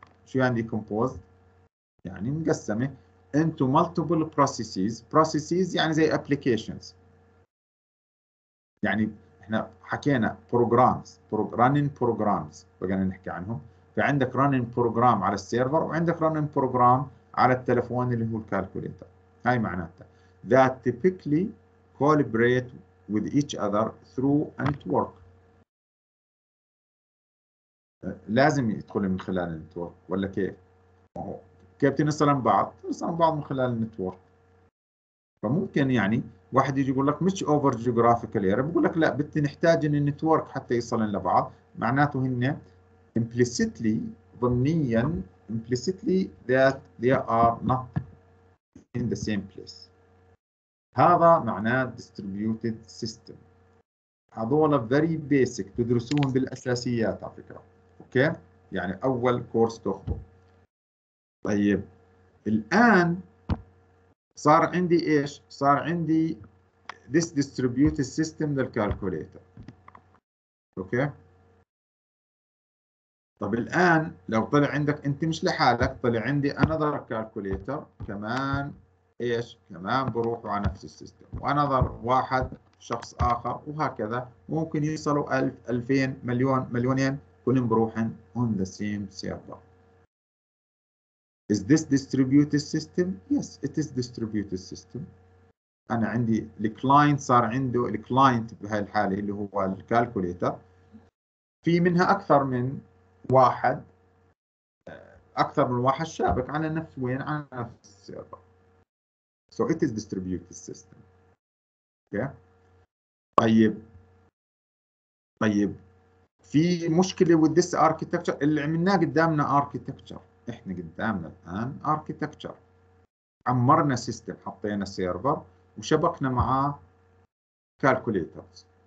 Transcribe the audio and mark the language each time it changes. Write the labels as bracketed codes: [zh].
[ar] شو يعني دي كومبوزد؟ يعني مقسمه انتو مالتيبل بروسيسز. بروسيسز يعني زي ابلكيشنز، يعني احنا حكينا بروجرامز، رانين بروجرامز بقينا نحكي عنهم. فعندك رانين بروجرام على السيرفر، وعندك رانين بروجرام على التلفون اللي هو الكالكوليتر. هاي معناتها [en] that typically collaborate with each other through a network. [ar] لازم يدخل من خلال النتورك ولا كيف؟ كيف تنصل عن بعض؟ تنصل عن بعض من خلال النتورك. فممكن يعني واحد يجي يقول لك مش [en] over geographical area، [ar] بقول لك لا بدي نحتاج ان النتورك حتى يصلن لبعض. معناته هن implicitly ضمنيا implicitly [en] that they are not in the same place. [ar] هذا معناه distributed system. هذول [en] very basic [ar] تدرسوهم بالأساسيات على فكرة. أوكي؟ يعني أول كورس تاخذه. طيب الآن صار عندي إيش؟ صار عندي [en] this distributed system [ar] للكالكوليتر. أوكي؟ طب الآن لو طلع عندك أنت مش لحالك، طلع عندي [en] another calculator [ar] كمان. ايش كمان بروحوا على نفس السيستم، وانظر واحد شخص اخر، وهكذا ممكن يوصلوا 1000 2000 مليون مليونين كلهم بروحن [en] on the same server. Is this distributed system? Yes, it is distributed system. [ar] انا عندي الكلاينت، صار عنده الكلاينت بهالحاله اللي هو الكالكوليتر، في منها اكثر من واحد، اكثر من واحد شابك على نفس، وين على نفس السيرفر. [en] So it is distributed system. Okay. [ar] طيب طيب في مشكلة [en] with this architecture. [ar] اللي عملناه قدامنا architecture. احنا قدامنا الآن architecture. عمرنا system، حطينا server وشبكنا معاه calculators.